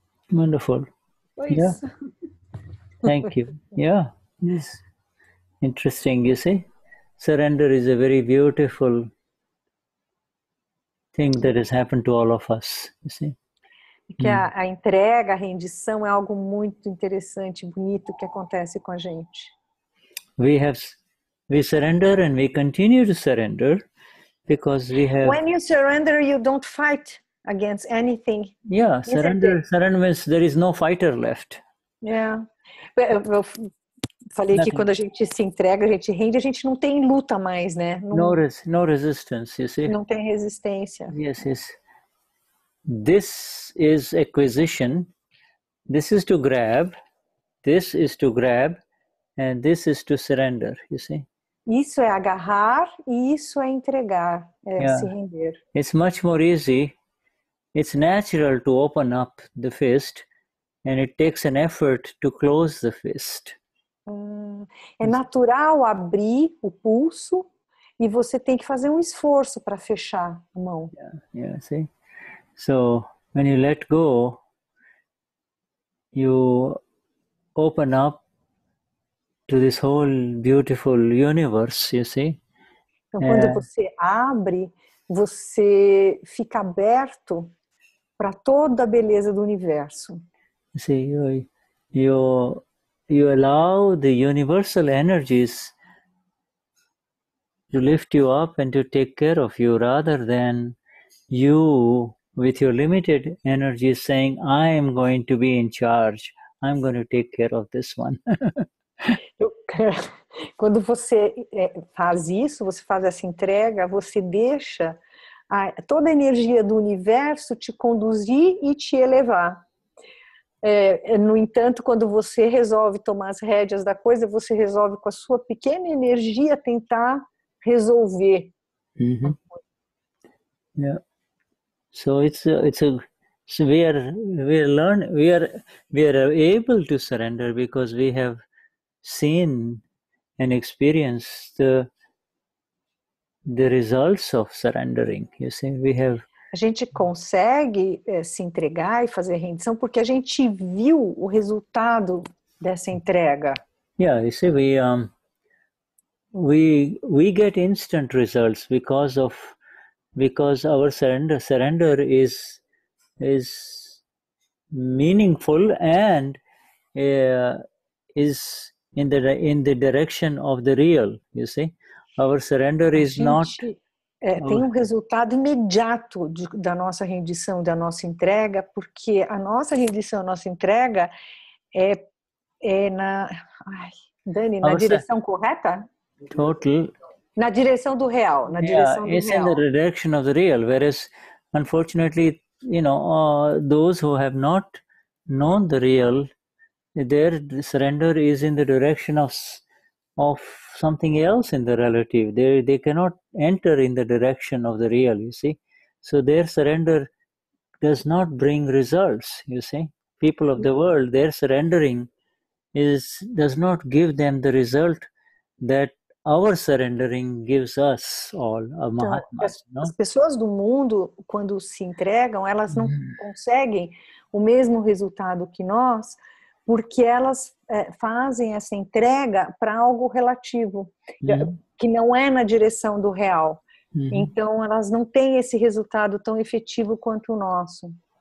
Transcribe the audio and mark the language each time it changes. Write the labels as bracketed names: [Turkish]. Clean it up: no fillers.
[English] Wonderful. Pois. Yeah. Thank you. Yeah, this is interesting, you see. Surrender is a very beautiful thing that has happened to all of us, you see. [Portuguese] Que a entrega, a rendição é algo muito interessante, bonito que acontece com a gente. [English] We surrender and we continue to surrender because we have. When you surrender, you don't fight against anything. Yeah, surrender. Surrender means there is no fighter left. Yeah. [Portuguese] Eu falei nothing. Que quando a gente se entrega, a gente rende, a gente não tem luta mais, né? [English] No resistance, you see. [Portuguese] Não tem resistência. [English] Yes, yes. This is acquisition, this is to grab, this is to grab, and this is to surrender, you see? [Portuguese] Isso é agarrar e isso é entregar, se render. [English] It's much more easy, it's natural to open up the fist, and it takes an effort to close the fist. [Portuguese] É natural abrir o pulso e você tem que fazer esforço para fechar a mão. [English] Yeah, see? So, when you let go, you open up to this whole beautiful universe, you see? [Portuguese] Então, quando você abre, você fica aberto para toda a beleza do universo. [English] You see, you allow the universal energies to lift you up and to take care of you, rather than you... with your limited energy saying, I am going to be in charge. I'm going to take care of this one. [Portuguese] Quando você faz isso, você faz essa entrega, você deixa toda a energia do universo te conduzir e te elevar. No entanto, quando você resolve tomar as rédeas da coisa, você resolve com a sua pequena energia tentar resolver. Uh-huh. Yeah. [English] So we are able to surrender because we have seen and experienced the results of surrendering. You see, we have. [Portuguese] A gente consegue se entregar e fazer rendição porque a gente viu o resultado dessa entrega. [English] Yeah, you see, we get instant results because our surrender is is meaningful and is in the direction of the real, you see. Our surrender is not... [Portuguese] Tem um resultado imediato da nossa rendição, da nossa entrega, porque a nossa rendição, a nossa entrega na direção correta? Total. Na direção do real, na direção do [English] it's real. In the direction of the real, whereas, unfortunately, you know, those who have not known the real, their surrender is in the direction of something else in the relative. They cannot enter in the direction of the real, you see. So their surrender does not bring results, you see. People of the world, their surrendering does not give them the result that our surrendering gives us all, a Mahatma. [Portuguese] Então, as pessoas do mundo, quando se entregam, elas não conseguem o mesmo resultado que nós, porque elas fazem essa entrega para algo relativo, que não é na direção do real. Uhum. Então, elas não têm esse resultado tão efetivo quanto o nosso.